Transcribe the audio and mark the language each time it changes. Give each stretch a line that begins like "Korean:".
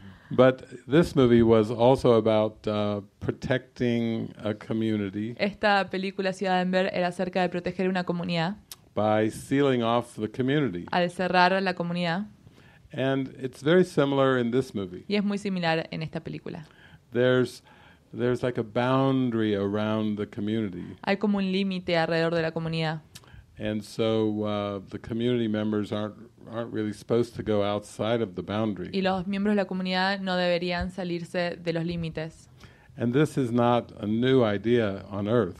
English: But this movie was also about protecting a community.
Spanish: Esta película Ciudad de Ember era acerca de proteger una comunidad.
English: By sealing off the community.
Spanish: Al cerrar la comunidad.
English: And it's very similar in this movie.
Spanish: Y es muy similar en esta película.
English: There's like a boundary around the community.
Spanish: Hay como un límite alrededor de la comunidad.
English: And so the community members aren't really supposed to go outside of the boundary.
Spanish: Y los miembros de la comunidad no deberían salirse de los límites.
English: And this is not a new idea on earth.